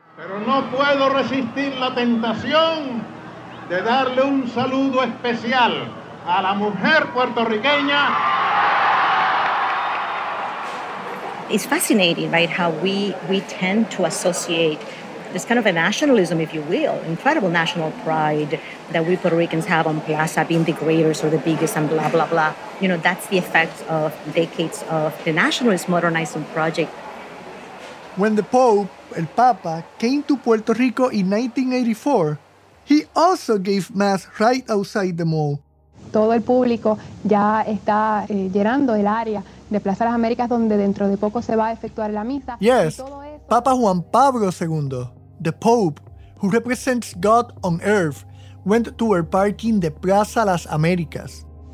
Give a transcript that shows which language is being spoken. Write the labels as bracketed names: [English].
[Spanish] Pero no puedo resistir la tentación de darle un saludo especial a la mujer puertorriqueña. [English] It's fascinating, right, how we tend to associate this kind of a nationalism, if you will, incredible national pride that we Puerto Ricans have on Plaza being the greatest or the biggest and blah, blah, blah. You know, that's the effect of decades of the nationalist modernizing project. When the Pope, El Papa, came to Puerto Rico in 1984, he also gave mass right outside the mall. [Spanish] Todo el público ya está llenando el área de Plaza Las Américas donde dentro de poco se va a efectuar la misa. [English] Yes, Papa Juan Pablo II, the Pope, who represents God on Earth, went to her parking de Plaza Las Américas.